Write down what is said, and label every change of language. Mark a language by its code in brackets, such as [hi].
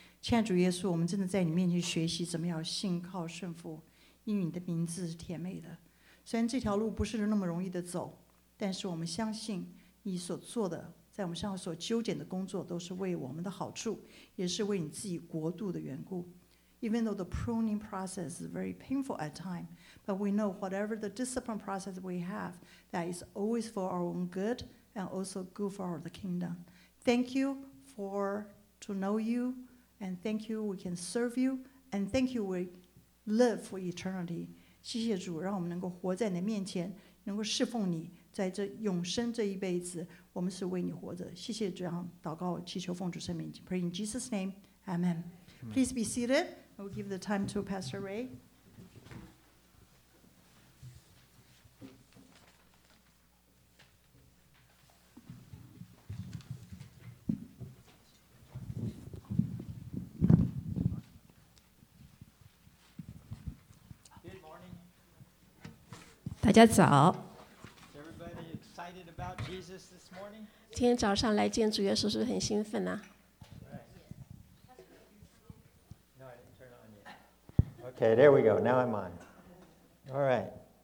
[zh] 亲爱主耶稣，我们真的在你面前学习怎么样信靠顺服，因为你的名字是甜美的。虽然这条路不是那么容易的走，但是我们相信你所做的，在我们身上所纠结的工作，都是为我们的好处，也是为你自己国度的缘故。 [en] Even though the pruning process is very painful at times, but we know whatever the discipline process we have, that is always for our own good and also good for our kingdom. Thank you for to know you, and thank you we can serve you, and thank you we live for eternity. [zh] 谢谢主，让我们能够活在你的面前，能够侍奉你，在这永生这一辈子，我们是为你活着。谢谢主，这样祷告祈求奉主圣名 ， [en] Pray in Jesus' name, Amen. Please be seated. I will give the time to Pastor Ray. [zh] 大家早。 [en] Everybody excited about Jesus this morning? [zh] 今天早上来见主耶稣是不是很兴奋呢、啊 [en] right. No, I didn't turn on yet. Okay, there we go. Now I'm on. All right.